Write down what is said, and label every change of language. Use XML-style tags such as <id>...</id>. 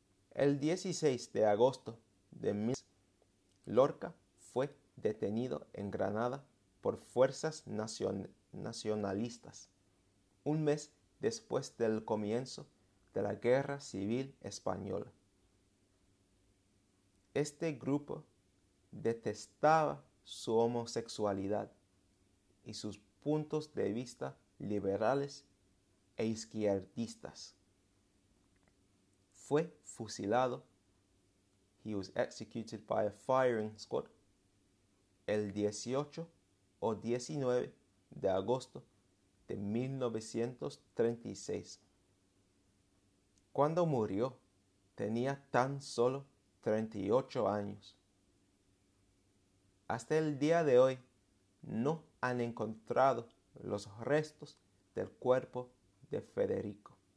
<es>El 16 de agosto de 1910, Lorca fue detenido en Granada por fuerzas nacionalistas, un mes después del comienzo de la Guerra Civil Española. Este grupo detestaba su homosexualidad y sus puntos de vista liberales e izquierdistas. Fue fusilado,</es> <en>he was executed by a firing squad,</en> <es>el 18 o 19 de agosto de 1936. Cuando murió, tenía tan solo 38 años. Hasta el día de hoy, no han encontrado los restos del cuerpo de Federico.</es>